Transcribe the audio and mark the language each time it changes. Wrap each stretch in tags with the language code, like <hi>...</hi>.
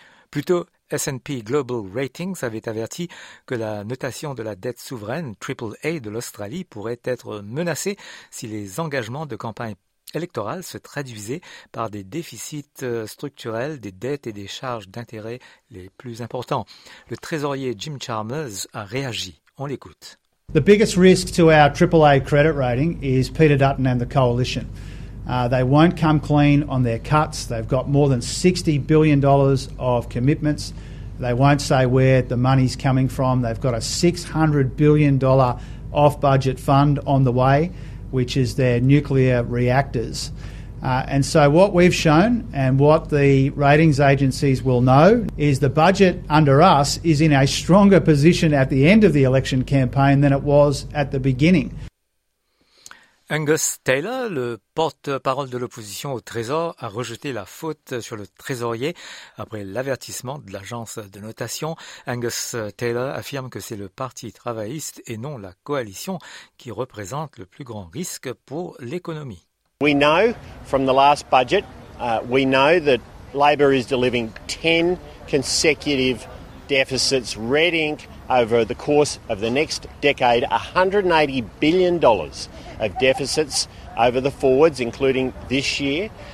<fr>Plus tôt, S&P Global Ratings avait averti que la notation de la dette souveraine AAA de l'Australie pourrait être menacée si les engagements de campagne électorale se traduisaient par des déficits structurels, des dettes et des charges d'intérêt les plus importants. Le trésorier Jim Chalmers a réagi. On l'écoute.</fr> <en>The biggest risk to our AAA credit rating is Peter Dutton and the Coalition. They won't come clean on their cuts. They've got more than $60 billion of commitments. They won't say where the money's coming from. They've got a $600 billion off-budget fund on the way, which is their nuclear reactors. And so what we've shown and what the ratings agencies will know is the budget under us is in a stronger position at the end of the election campaign than it was at the beginning.</en> <fr>Angus Taylor, le porte-parole de l'opposition au Trésor, a rejeté la faute sur le trésorier après l'avertissement de l'agence de notation. Angus Taylor affirme que c'est le Parti travailliste et non la coalition qui représente le plus grand risque pour l'économie.</fr> <en>We know from the last budget, we know that Labor is delivering 10 consecutive deficits, red ink, over the course of the next decade, $180 billion of deficits over the forwards, including this year.</en>